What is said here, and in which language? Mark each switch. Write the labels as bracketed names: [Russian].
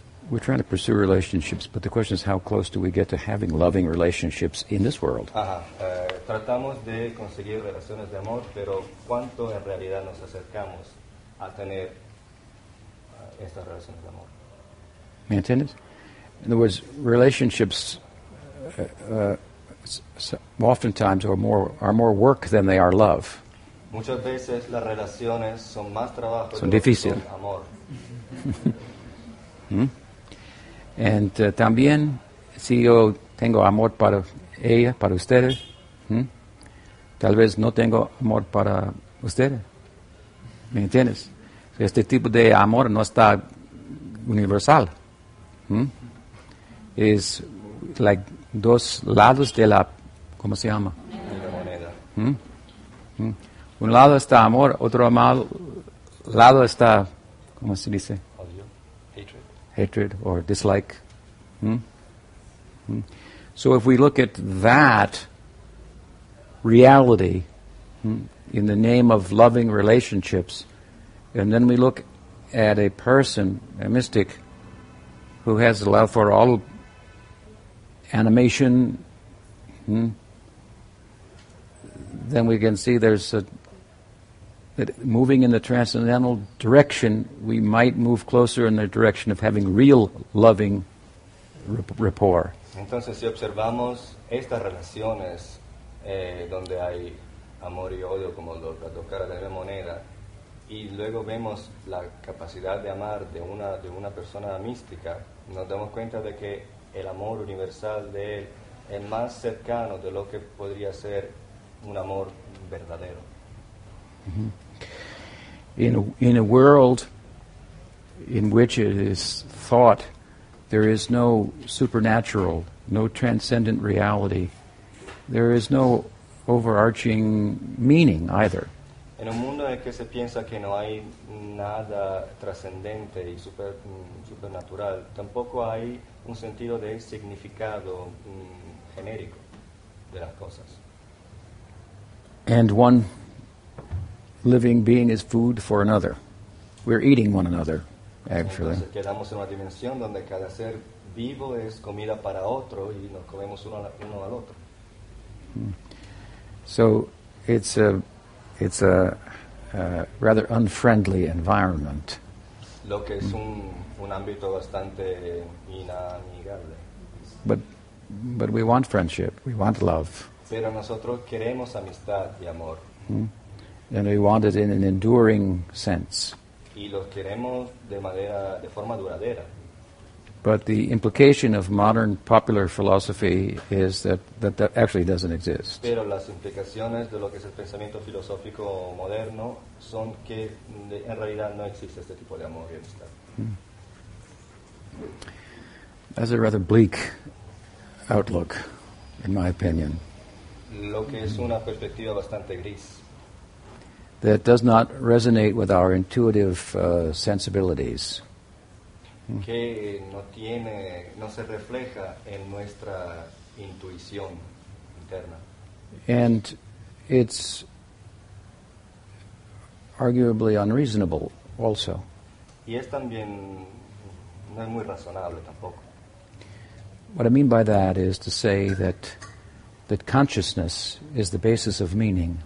[English] We're trying to pursue relationships, but the question is how close do we get to having loving relationships in this world? [Spanish] Tratamos de conseguir relaciones de amor, pero ¿cuánto en realidad nos acercamos a tener estas relaciones de amor? ¿Me entiendes? [English] In other words, relationships oftentimes are more work than they are love. [Spanish] Muchas veces las relaciones son más trabajo son difícil. Que son amor. And también, si yo tengo amor para ella, para ustedes, tal vez no tengo amor para ustedes. ¿Me entiendes? Este tipo de amor no está universal. Es like dos lados de la, ¿cómo se llama? De la moneda. Un lado está amor, otro lado está, ¿cómo se dice? Odio. Hatred. [English] Hatred or dislike. So if we look at that reality in the name of loving relationships, and then we look at a person, a mystic, who has love for all animation, then we can see that moving in the transcendental direction, we might move closer in the direction of having real loving rapport. [Spanish] Entonces, si observamos estas relaciones donde hay amor y odio como dos caras de la moneda, y luego vemos la capacidad de amar de una persona mística, nos damos cuenta de que el amor universal de él es más cercano de lo que podría ser un amor verdadero. [English] In a world in which it is thought there is no supernatural, no transcendent reality, there is no overarching meaning either. [Spanish] En un mundo en el que se piensa que no hay nada trascendente y supernatural, tampoco hay un sentido de significado genérico de las cosas. [English] And one living being is food for another. We're eating one another, actually. [Spanish] Entonces quedamos en una dimensión donde cada ser vivo es comida para otro y nos comemos uno al otro. [English] So it's a rather unfriendly environment. [Spanish] Lo que es un ámbito bastante inamigable. [English] But we want friendship. We want love. [Spanish] Pero nosotros queremos amistad y amor. [English] And we want it in an enduring sense. [Spanish] Y lo queremos de forma duradera. [English] But the implication of modern popular philosophy is that actually doesn't exist. [Spanish] Pero las implicaciones de lo que es el pensamiento filosófico moderno son que en realidad no existe este tipo de amor y amistad. [English] That's a rather bleak outlook, in my opinion. [Spanish] Lo que es una perspectiva bastante gris. [English] That does not resonate with our intuitive sensibilities. [Spanish] Que no se refleja en nuestra intuición interna. [English] And it's arguably unreasonable also. [Spanish] Y es también no es muy razonable tampoco. [English] What I mean by that is to say that consciousness is the basis of meaning.